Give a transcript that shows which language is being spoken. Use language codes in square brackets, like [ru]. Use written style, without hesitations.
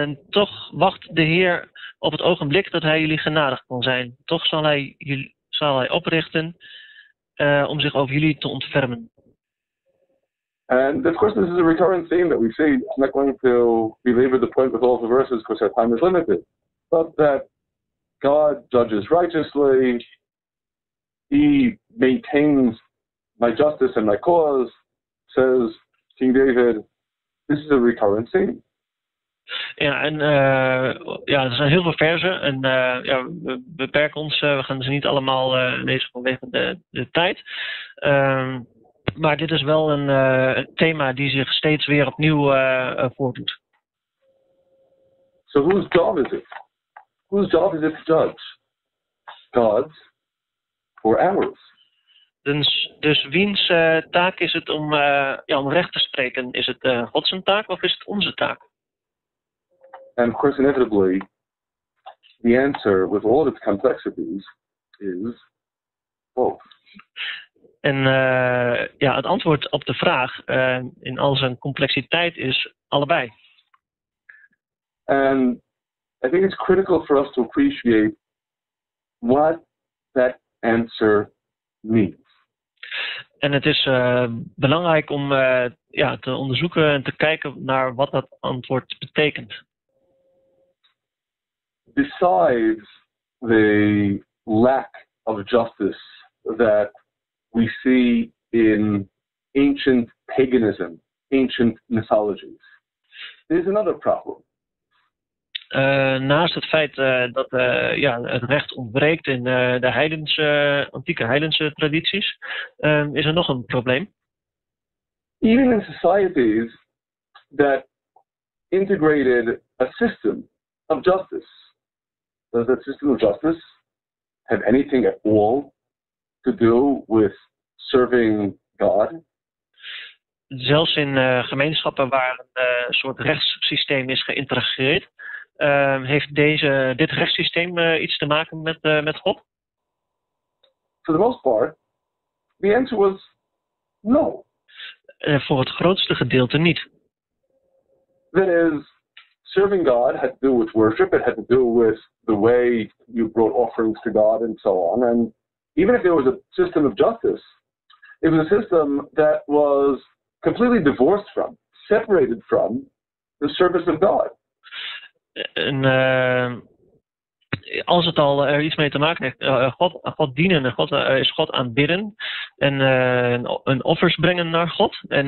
[nl] Toch wacht de Heer op het ogenblik dat hij jullie genadig kon zijn. Toch zal hij oprichten om zich over jullie te ontfermen. [en] And of course this is a recurring theme that we see. I'm not going to belabor the point with all the verses because our time is limited. But that God judges righteously. He maintains my justice and my cause, says King David. This is a recurrent theme. [nl] Ja, er zijn heel veel versen. En we beperken ons. We gaan ze niet allemaal lezen vanwege de tijd. Maar dit is wel een thema die zich steeds weer opnieuw voordoet. [en] So whose job is it? Whose job is it to judge? God's. For ours. [nl] Dus wiens taak is het om recht te spreken? Is het God zijn taak of is het onze taak? [en] And of course, inevitably, the answer with all its complexities is both. [nl] En het antwoord op de vraag in al zijn complexiteit is allebei. [en] And I think it's critical for us to appreciate what that answer means. [nl] En het is belangrijk om te onderzoeken en te kijken naar wat dat antwoord betekent. [en] Besides the lack of justice that we see in ancient paganism, ancient mythologies, there's another problem. [nl] Naast het feit dat het recht ontbreekt in de heidense, antieke heidense tradities, is er nog een probleem. [en] Even in societies that integrated a system of justice, does that system of justice have anything at all to do with serving God? [nl] Zelfs in gemeenschappen waar een soort rechtssysteem is geïntegreerd, heeft dit rechtssysteem iets te maken met God? [en] For the most part, the answer was no. [nl] Voor het grootste gedeelte niet. [en] That is, serving God had to do with worship, it had to do with the way you brought offerings to God and so on. And even if there was a system of justice, it was a system that was completely divorced from, separated from, the service of God. [nl] En als het al er iets mee te maken heeft, God dienen, is God aanbidden en een offers brengen naar God.